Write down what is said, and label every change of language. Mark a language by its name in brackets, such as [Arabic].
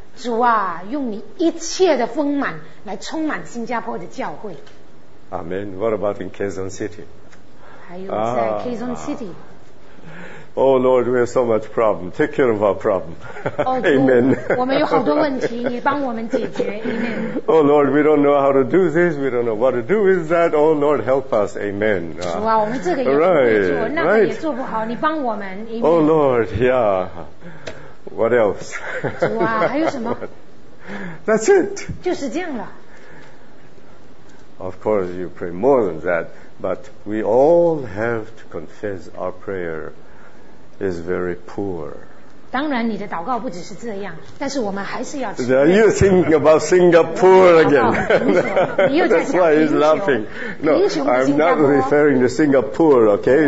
[Chinese] 主啊，用你一切的丰满来充满新加坡的教会。 [English] Amen. What about in Quezon City? [Chinese] 还有在 Quezon City. [English] Oh Lord, we have so much problem. Take care of our problem. Oh, Amen. [Chinese] 我们有好多问题，你帮我们解决。 [English] Amen. Oh Lord, we don't know how to do this. We don't know what to do with that. Oh Lord, help us. Amen. [Chinese] 主啊，我们这个也不会做，那个也做不好，你帮我们。 [English] Amen. Oh Lord, yeah. What else? [Chinese] 主啊，还有什么？ [English] That's it. [Chinese] 就是这样了。 [English] Of course, you pray more than that, but we all have to confess our prayer. Is very poor. [Chinese] 当然，你的祷告不只是这样，但是我们还是要。 [English] Are you thinking about Singapore again? That's why he's laughing. No, I'm not referring to Singapore, okay?